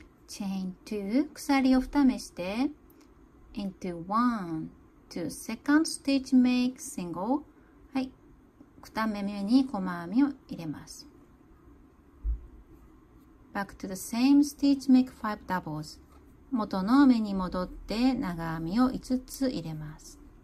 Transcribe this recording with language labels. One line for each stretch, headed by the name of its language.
English: Chain 2
Japanese: 鎖を2目して
English: Into 1 2 Second stitch make single。
Japanese: はい、2目目に細編みを入れます。
English: Back to the same stitch, make five doubles.
Japanese: 元の目に戻って長編みを5つ入れます。